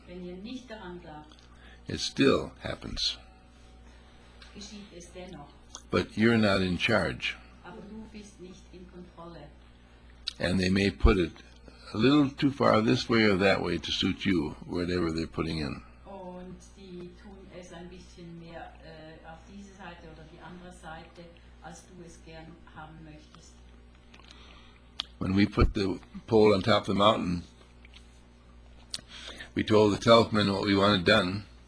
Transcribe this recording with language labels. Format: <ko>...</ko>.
<de>wenn ihr nicht daran glaubt,</de> <en>it still happens.</en> <de>Geschieht es dennoch.</de> <en>But you're not in charge.</en> <de>Aber du bist nicht in Kontrolle.</de> <en>And they may put it a little too far this way or that way to suit you, whatever they're putting in.</en> <de>Und die tun es ein bisschen mehr auf diese Seite oder die andere Seite, als du es gern haben möchtest.</de> <en>When we put the pole on top of the mountain, we told the telephone what we wanted done.</en>